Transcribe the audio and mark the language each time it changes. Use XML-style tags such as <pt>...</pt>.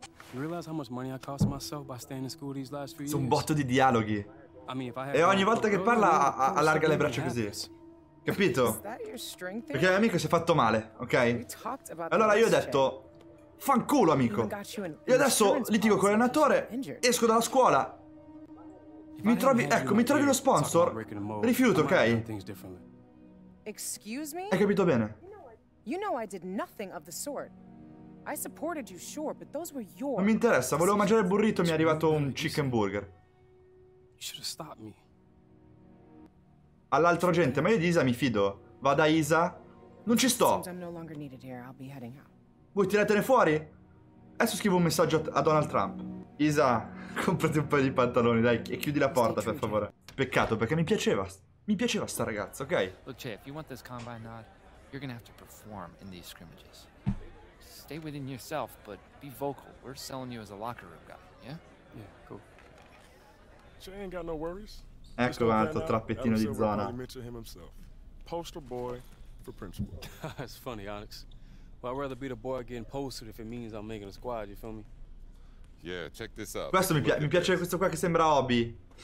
<en>You realize how much money I cost myself by staying in school these last few years?</en> <it>Un botto di dialoghi.</it> <en>I mean, if I had.</en> <it>E ogni volta che parla allarga le braccia così. Capito? Perché l'amico si è fatto male, ok? Allora io ho detto, fanculo amico. Io adesso litigo con l'allenatore, esco dalla scuola. Mi trovi, ecco, mi trovi lo sponsor. Rifiuto, ok?</it> <en>Excuse me?</en> <it>Hai capito bene?</it> <en>You know I did nothing of the sort. I supported you, sure, but those were your.</en> <it>Non mi interessa, volevo mangiare il burrito e mi è arrivato un chicken burger.</it> <en>You should have stopped me.</en> <it>all'altro agente, ma io di Isa mi fido. Va da Isa. Non ci sto. Voi tiratene fuori? Adesso scrivo un messaggio a Donald Trump. Isa, comprati un paio di pantaloni, dai, e chiudi la porta, per favore. Peccato, perché mi piaceva. Mi piaceva sta ragazza, ok?</it> <en>Look, Che, if you want this combine nod, you're gonna have to perform in these scrimmages. Stay within yourself, but be vocal. We're selling you as a locker room guy, yeah? Yeah, cool. Che ain't got no worries.</en> <it>Ecco un altro trappettino di zona.</it> <en>Poster boy for principal. That's funny, Alex. Well, I'd rather be the boy getting posted if it means I'm making a squad, you feel me? Yeah, check this out.</en> <it>Questo mi piace questo qua che sembra Obi.</it>